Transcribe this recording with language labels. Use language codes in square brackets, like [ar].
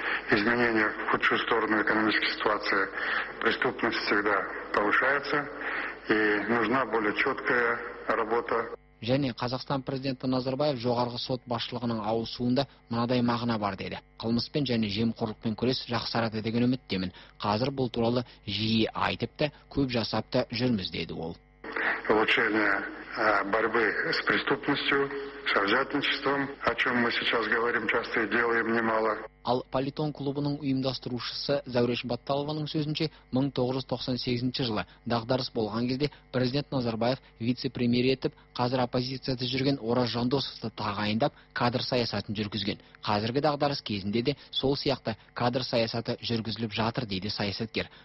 [ru] Изменения в худшую сторону экономической ситуации, преступность всегда повышается, и нужна более четкая работа. [kk] Және Қазақстан президенті Назарбаев жоғарғы сот басшылығының ауысуында мынадай мағына бар деді. Қылмыспен және жемқорлықпен күрес жақсарады деген үміттемін. Қазір бұл туралы жиі айтып та, көп жасап та жүрміз деді ол. [ru] Улучшение борьбы с преступностью, с взяточничеством, о чем мы сейчас говорим часто и делаем немало. [kk] Ал политон клубының ұйымдастырушысы Зәуреш Батталованың сөзінше 1998 жылы дағдарыс болған кезде президент Назарбаев вице-премьер етіп қазір оппозицияда жүрген Ораз Жандосовты тағайындап кадр саясатын жүргізген. Қазіргі дағдарыс кезінде де сол сияқты кадр саясаты жүргізіліп жатыр дейді саясаткер.